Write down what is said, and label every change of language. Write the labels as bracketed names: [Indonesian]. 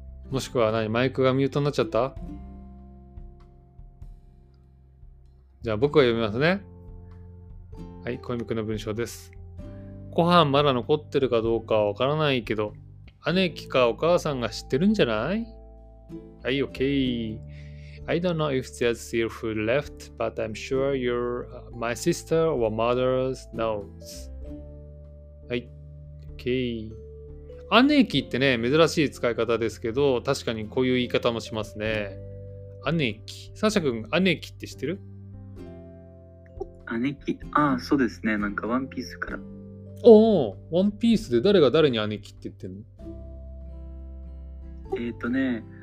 [Japanese] もしくは何、マイクがミュートになっちゃった？じゃあ僕が読みますね。はい、小泉くんの文章です。ご飯まだ残ってるかどうかわからないけど、姉貴かお母さんが知ってるんじゃない？はい、 OK。 [English] I don't know if there's still food left, but I'm sure my sister or mother knows。 [Japanese] はい、 OK。姉貴ってね、珍しい使い方ですけど、確かにこういう言い方もしますね。姉貴、サシャ君、姉貴って知ってる？姉貴、ああそうですね、なんかワンピースから。おお、ワンピースで誰が誰に姉貴って言ってんの？